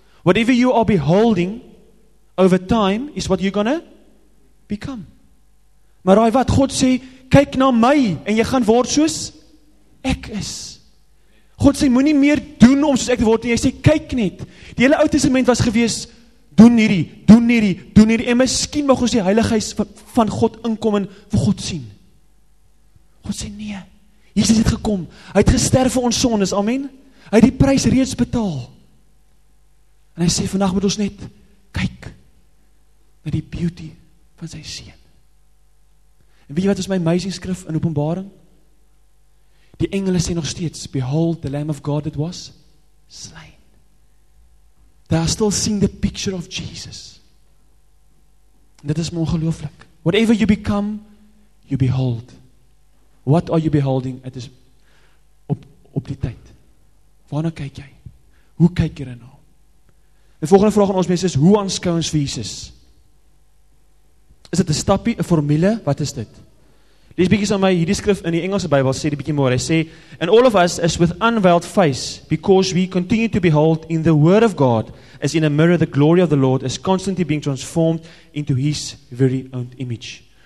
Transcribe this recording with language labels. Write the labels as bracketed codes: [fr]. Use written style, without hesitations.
[en] Whatever you are beholding over time is what you're gonna become. [af] Maar raai wat God sê, kyk na my en jy gaan word soos ek is. God sê, moenie meer doen om soos ek word nie. Jy sê, kyk net. Die hele Ou Testament was gewees, doen hierdie. En miskien mag ons die heiligheid van God inkom en vir God sien. God sê, nee. Jesus het gekom, hy het gesterf vir ons sondes, amen. Hy het die prys reeds betaal. En hy sê, vandag moet ons net kyk na die beauty van sy Seun. En weet jy wat is my amazing skrif in Openbaring? Die engele sê nog steeds, [en] behold the Lamb of God that was slain. They are still seeing the picture of Jesus. [af] En dit is my ongelooflik. [en] Whatever you become, you behold. What are you beholding at this [af] op die tyd? Waarna kyk jy? Hoe kyk jy daarna? Die volgende vraag aan ons mense is, hoe aanskou ons vir Jesus? Is dit 'n stappie, 'n formule? Wat is dit? Lees bietjie saam met my hierdie skrif in die Engelse Bybel, sê dit bietjie mooi. Hy sê, [en] "And all of us is with unveiled face because we continue to behold in the word of God as in a mirror the glory of the Lord is constantly being transformed into his very own image."